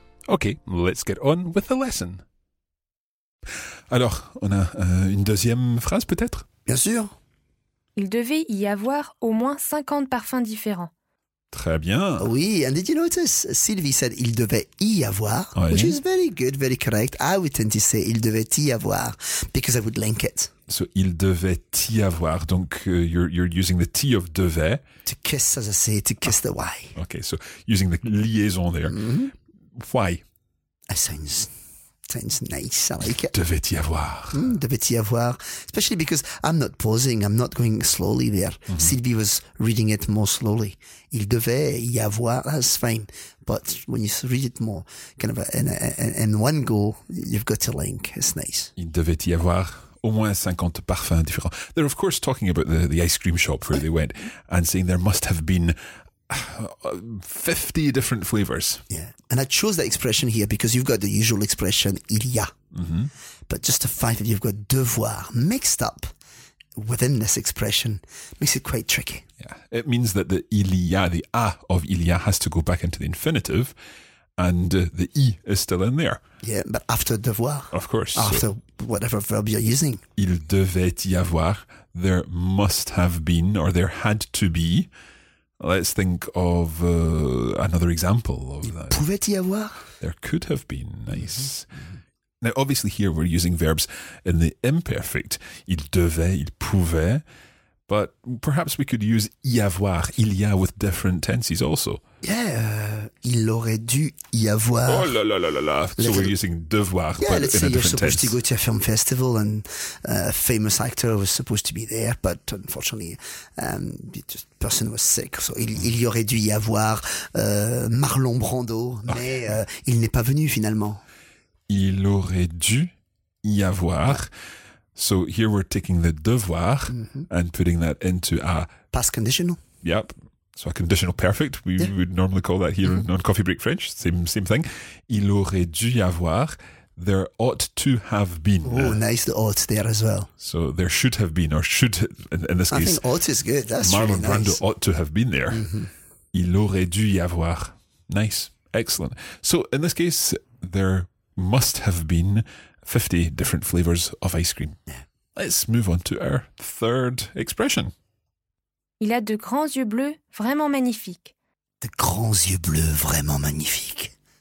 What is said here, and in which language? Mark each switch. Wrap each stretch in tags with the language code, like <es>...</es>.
<en>Okay, let's get on with the lesson.</en> <fr>Alors, on a une deuxième phrase peut-être ? Bien sûr. Il devait y avoir au moins 50 parfums différents. Très bien.</fr> <en>Oui, and did you notice? Sylvie said</en> <fr>il devait y avoir, oui.</fr> <en>Which is very good, very correct. I would tend to say</en> <fr>il devait y avoir,</fr> <en>because I would link it. So</en> <fr>il devait y avoir, donc</fr> <en>you're using the T of devait. To kiss, as I say, to kiss the Y. Okay, so using the liaison there. Mm-hmm. Why? It sounds nice, I like it.</en> <fr>Devait y avoir. Devait y avoir,</fr> <en>especially because I'm not pausing, I'm not going slowly there. Mm-hmm. Sylvie was reading it more slowly.</en> <fr>Il devait y avoir,</fr> <en>that's fine. But when you read it more, kind of in one go, you've got to link, it's nice.</en> <fr>Il devait y avoir au moins 50 parfums différents.</fr> <en>They're of course talking about the ice cream shop where they went and saying there must have been 50 different flavors. Yeah. And I chose that expression here because you've got the usual expression,</en> <fr>il y a. Mm-hmm.</fr> <en>But just the fact that you've got devoir mixed up within this expression makes it quite tricky. Yeah. It means that the</en> <fr>il y a,</fr> <en>the a of il y a, has to go back into the infinitive and the I is still in there. Yeah, but after devoir. Of course. After whatever verb you're using.</en> <fr>Il devait y avoir,</fr> <en>there must have been, or there had to be. Let's think of another example of that.</en> <fr>Pouvait y avoir?</fr> <en>There could have been. Nice. Mm-hmm. Now, obviously here we're using verbs in the imperfect.</en> <fr>Il devait, il pouvait.</fr> <en>But perhaps we could use</en> <fr>y avoir, il y a,</fr> <en>with different tenses also. Yeah,</en> <fr>il aurait dû y avoir. Oh la la la la la.</fr> <en>So we're using devoir, yeah, but in a different tense. Yeah, let's say you're supposed to go to a film festival and a famous actor was supposed to be there, but unfortunately, the person was sick.</en> <fr>So il y aurait dû y avoir Marlon Brando, mais il n'est pas venu finalement. Il aurait dû y avoir.</fr> <en>So here we're taking the devoir, mm-hmm, and putting that into a past conditional. Yep. So a conditional perfect. We would normally call that here, mm-hmm, on Coffee Break French. Same thing.</en> <fr>Il aurait dû y avoir.</fr> <en>There ought to have been. Oh, nice, the ought there as well. So there should have been, or should, in this case. I think ought is good. That's Marlon really nice. Brando ought to have been there. Mm-hmm.</en> <fr>Il aurait dû y avoir. Nice. Excellent.</fr> <en>So in this case, there must have been 50 different flavors of ice cream. Let's move on to our third expression.</en> <fr>Il a de grands yeux bleus vraiment magnifiques. De grands yeux bleus vraiment magnifiques.</fr>